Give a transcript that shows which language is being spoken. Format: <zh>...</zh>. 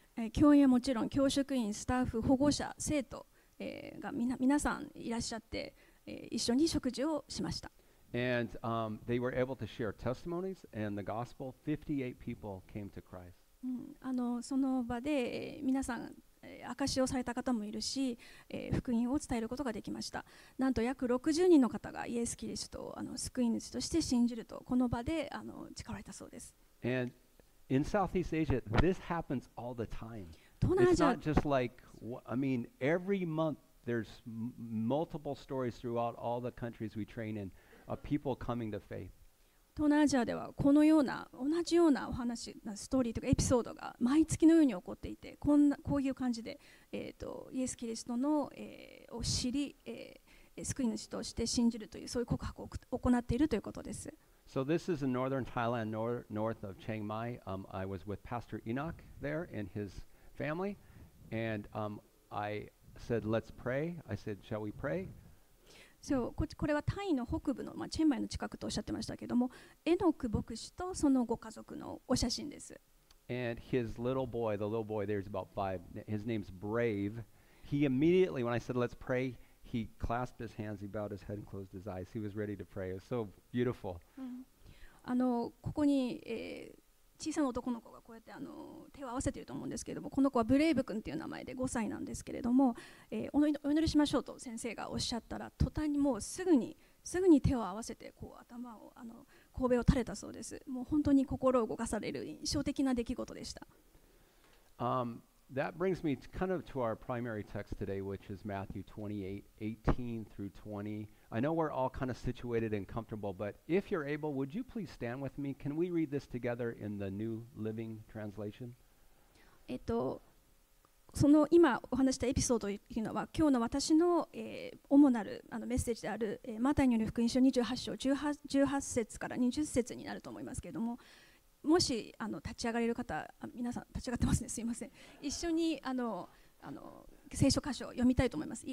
<ja>教員はもちろん、教職員、スタッフ、保護者、生徒、が皆さんいらっしゃって、一緒に食事をしました。</ja> <en>And they were able to share testimonies and the gospel. 58 people came to Christ.</en> <ja>その場で、皆さん、証しをされた方もいるし、福音を伝えることができました。なんと約60人の方がイエス・キリストを救い主として信じると、この場で誓われたそうです。</ja> <en>And in Southeast Asia, this happens all the time. It's not just like, I mean, every month there's multiple stories throughout all the countries we train in. People coming to faith.</en> <ja>東南アジアではこのような同じようなお話、ストーリーとかエピソードが毎月のように起こっていて、こういう感じで、イエス・キリストの、を知り、救い主として信じるというそういう告白を行っているということです。</ja> <en>So this is in northern Thailand, north of Chiang Mai. I was with Pastor Enoch there and his family, and I said, "Let's pray." I said, "Shall we pray?"</en> <ja>So, これはタイの北部の、まあ、チェンマイの近くとおっしゃってましたけれども、エノク牧師とそのご家族のお写真です。</ja> <en>And his little boy, the little boy there is about five, his name's Brave. He immediately, when I said let's pray, he clasped his hands, he bowed his head and closed his eyes. He was ready to pray. It was so beautiful.</en> <ja>ここに、小さな男の子がこうやってあの手を合わせていると思うんですけれども、この子はブレイブ君という名前で5歳なんですけれども、お祈りしましょうと先生がおっしゃったら、途端にもうすぐに手を合わせてこう頭をあの頭を垂れたそうです。もう本当に心を動かされる印象的な出来事でした。</ja> <en>That brings me to kind of to our primary text today, which is Matthew 28:18-20. I know we're all kind of situated and comfortable, but if you're able, would you please stand with me? Can we read this together in the New Living Translation?</en> <ja>その今お話したエピソードというのは、今日の私の、主なるあのメッセージである、マタイによる福音書28章 18節から20節になると思いますけれども、もしあの立ち上がれる方、皆さん立ち上がってますね、すいません、一緒にあの聖書箇所を読みたいと思います。</ja>